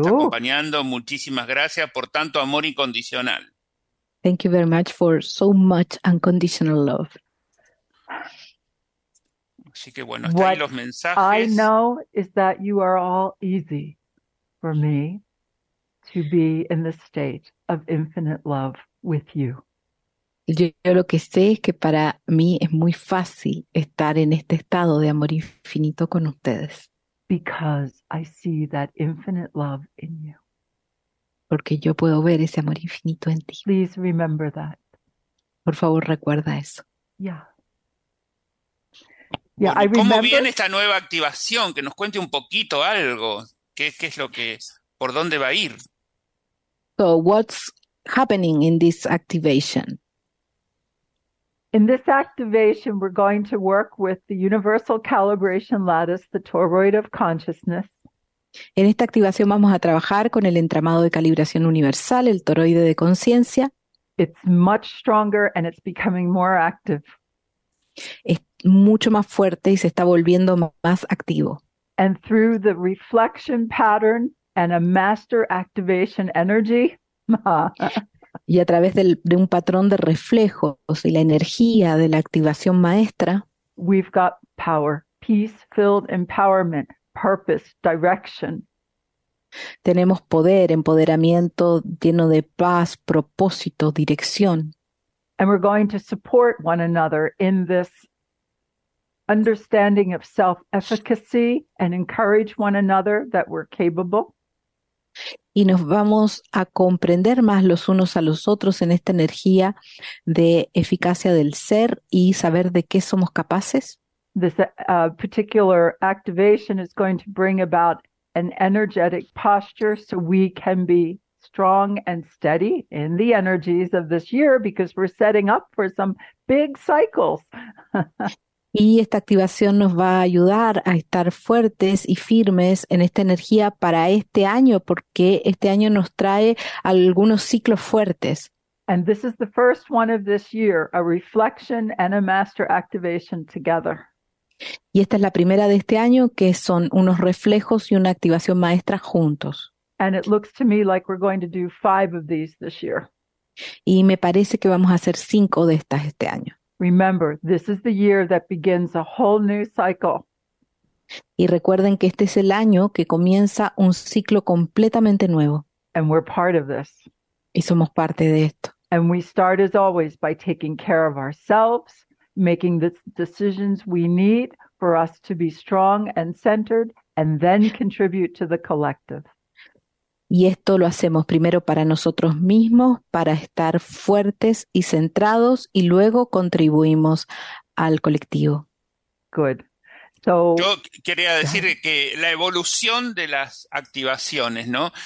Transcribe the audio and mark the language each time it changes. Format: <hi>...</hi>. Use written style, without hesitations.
<es>Está acompañando. Muchísimas gracias por tanto amor incondicional.</es> <en>Thank you very much for so much unconditional love.</en> <es>Así que bueno, están ahí los mensajes.</es> <en>I know is that you are all easy for me to be in the state of infinite love with you.</en> <es>Yo lo que sé es que para mí es muy fácil estar en este estado de amor infinito con ustedes.</es> <en>Because I see that infinite love in you.</en> <es>Porque yo puedo ver ese amor infinito en ti.</es> <en>Please remember that.</en> <es>Por favor, recuerda eso. Yeah. Yeah, bueno,</es> <en>I remember.</en> <es>¿Cómo viene esta nueva activación? Que nos cuente un poquito algo. ¿Qué es lo que es? ¿Por dónde va a ir?</es> <en>So, what's happening in this activation? In this activation, we're going to work with the universal calibration lattice, the toroid of consciousness.</en> <es>En esta activación vamos a trabajar con el entramado de calibración universal, el toroide de conciencia.</es> <en>It's much stronger and it's becoming more active.</en> <es>Es mucho más fuerte y se está volviendo más activo.</es> <en>And through the reflection pattern and a master activation energy.</en> <es>Y a través de un patrón de reflejos y la energía de la activación maestra,</es> <en>we've got power, peace-filled empowerment, purpose, direction.</en> <es>Tenemos poder, empoderamiento lleno de paz, propósito, dirección.</es> <en>And we're going to support one another in this understanding of self-efficacy and encourage one another that we're capable.</en> <es>Y nos vamos a comprender más los unos a los otros en esta energía de eficacia del ser y saber de qué somos capaces.</es> <en>This particular activation is going to bring about an energetic posture so we can be strong and steady in the energies of this year because we're setting up for some big cycles.</en> <es>Y esta activación nos va a ayudar a estar fuertes y firmes en esta energía para este año, porque este año nos trae algunos ciclos fuertes.</es> <en>And this is the first one of this year, a reflection and a master activation together.</en> <es>Y esta es la primera de este año, que son unos reflejos y una activación maestra juntos.</es> <en>And it looks to me like we're going to do 5 of these this year.</en> <es>Y me parece que vamos a hacer 5 de estas este año.</es> <en>Remember, this is the year that begins a whole new cycle.</en> <es>Y recuerden que este es el año que comienza un ciclo completamente nuevo.</es> <en>And we're part of this.</en> <es>Y somos parte de esto.</es> <en>And we start as always by taking care of ourselves, making the decisions we need for us to be strong and centered, and then contribute to the collective.</en> <es>Y esto lo hacemos primero para nosotros mismos, para estar fuertes y centrados, y luego contribuimos al colectivo.</es> <en>Good. So,</en> <es>yo quería decir que la evolución de las activaciones, ¿no?</es>